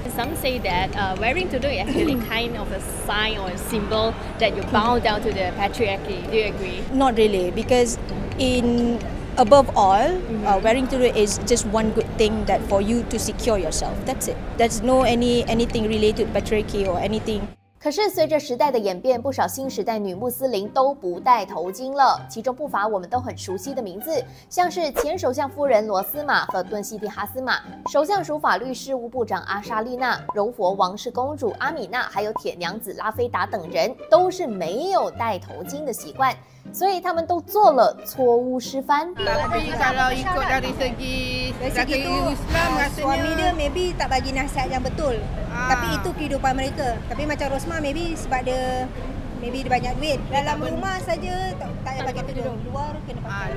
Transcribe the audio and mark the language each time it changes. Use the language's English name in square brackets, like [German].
[English] Some say that wearing tudung is actually kind of a sign or a symbol that you bow down to the patriarchy. Do you agree? Not really, because in above all, wearing tudung is just one good thing that for you to secure yourself. That's it. There's no anything related to patriarchy or anything. [Chinese] 可是随着时代的演变，不少新时代女穆斯林都不戴头巾了，其中不乏我们都很熟悉的名字，像是前首相夫人罗斯玛和顿西蒂哈斯玛，首相署法律事务部长阿莎丽娜，柔佛王室公主阿米娜，还有铁娘子拉菲达等人，都是没有戴头巾的习惯。所以他们都做了错误示范。 [Malay] Tapi kalau ikut dari segi Islam, suami dia maybe tak bagi nasihat yang betul. Tapi itu kehidupan mereka. Tapi macam Rosma maybe sebab dia maybe dia banyak duit. Dalam rumah saja tak payah pakai tudung. Luar kena pakai.